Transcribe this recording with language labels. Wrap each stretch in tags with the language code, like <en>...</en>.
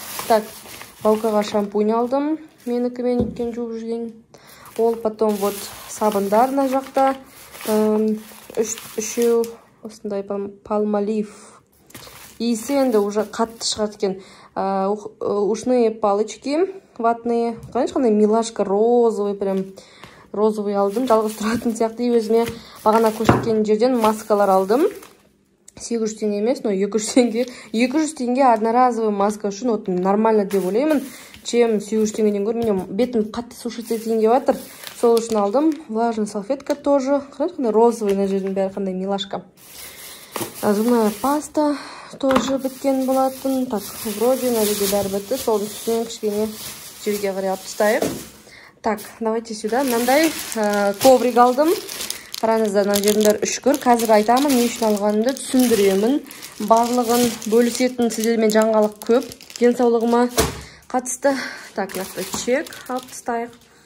<kk>Так, балкаға шампунь алдым. Менікі мен өткен жуып жүрген. Ол потом вот сабындар мына жақта. Үшеу осындай палмалив. Иісі енді уже қатты шығады екен.</kk> <ru>Ушные палочки ватные.</ru> <kk>Қандай милашка розовый, прям розовый алдым. Жалғыз тұратын сияқты. Өзіме бағана көрсеткен жерден маскалар алдым. 800 теңге емес, но 200 теңге одноразовый маска үшін вот нормально деп ойлаймын. Чем 800 теңгеден гөрі, менің бетім қатты сушиться деген деп жатыр. Сол үшін алдым. Влажная салфетка тоже. Қарайды қандай розовый на жердің бәрі, қандай милашка.</kk> <ru>Зубная паста тоже біткен болатын.</ru> <kk>Так, вроде на жерде бәрі бітті. Сол үшін кішкене жерге қарай алып тастайық. Так, давайте сюда. Мынандай коврик алдым. Қараңыздар, мына жердің бәрі үшкір. Қазір айтамын, не үшін алғанымды түсіндіремін. Барлығын бөлісетін сіздермен жаңалық көп. Денсаулығыма қатысты. Так, нақты чек алып тастайық.</kk>